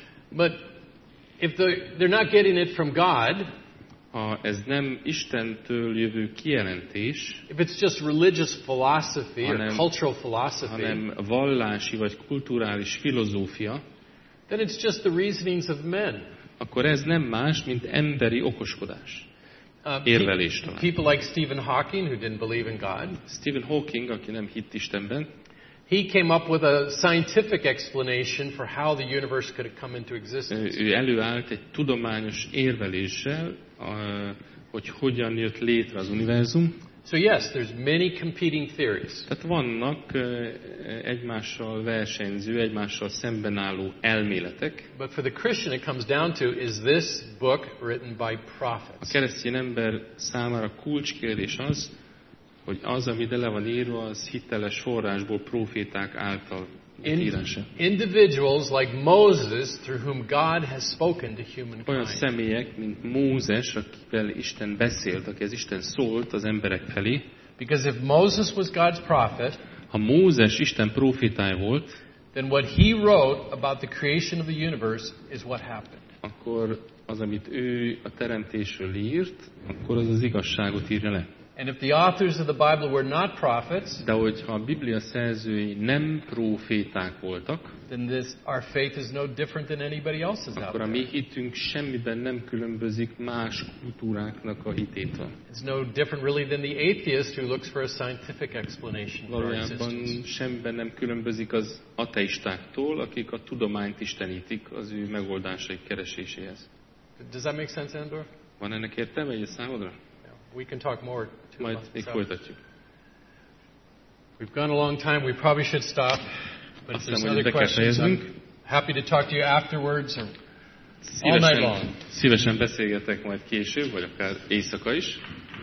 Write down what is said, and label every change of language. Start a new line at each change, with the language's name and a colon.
English: But if they're not getting it from God,
Hungarian: ha ez nem Istentől jövő kijelentés,
English: if it's just religious philosophy or cultural philosophy,
Hungarian: hanem vallási vagy kulturális filozófia,
English: then it's just the reasonings of men.
Hungarian: Akkor ez nem más, mint emberi okoskodás. Érvelés talán.
English: People like Stephen Hawking, who didn't believe in God.
Hungarian: Stephen Hawking, aki nem hitt Istenben.
English: He came up with a scientific explanation for how the universe could have come into existence.
Hungarian: Ő előállt egy tudományos érveléssel, hogy hogyan jött létre az univerzum.
English: So yes, there's many competing theories.
Hungarian: Tehát vannak egymással versenyző, egymással szemben álló elméletek.
English: But for the Christian it comes down to, is this book written by prophets?
Hungarian: A keresztény ember számára kulcskérdés az, hogy az, ami ide le van írva, az hiteles forrásból proféták által írása.
English: Individuals like Moses, through whom God has spoken to humankind.
Hungarian: Olyan személyek, mint Mózes, akivel Isten beszélt, aki az Isten szólt az emberek felé.
English: Because if Moses was God's prophet,
Hungarian: ha Mózes Isten prófétája volt,
English: then what he wrote about the creation of the universe is what happened.
Hungarian: Akkor az, amit ő a teremtésről írt, akkor az az igazságot írja le.
English: And if the authors of the Bible were not prophets,
Hungarian: de hogyha a Biblia szerzői nem próféták voltak,
English: then this our faith is no different than anybody else's.
Hungarian: Akkor a mi hitünk semmiben nem különbözik más kultúráknak a hitétől.
English: It's no different really than the atheist who looks for a scientific explanation for existence.
Hungarian: Valójában semmiben nem különbözik az ateistáktól, akik a tudományt istenítik az ő megoldásaik keresésehez.
English: Does that make sense, Andor?
Hungarian: Van ennek értelme egy számodra?
English: We can talk more too.
Hungarian: Majd még folytatjuk.
English: We've gone a long time. We probably should stop. But if there's other questions, I'm happy to talk to you afterwards or all night long.
Hungarian: Szívesen beszélgetek majd később, vagy akár éjszaka is.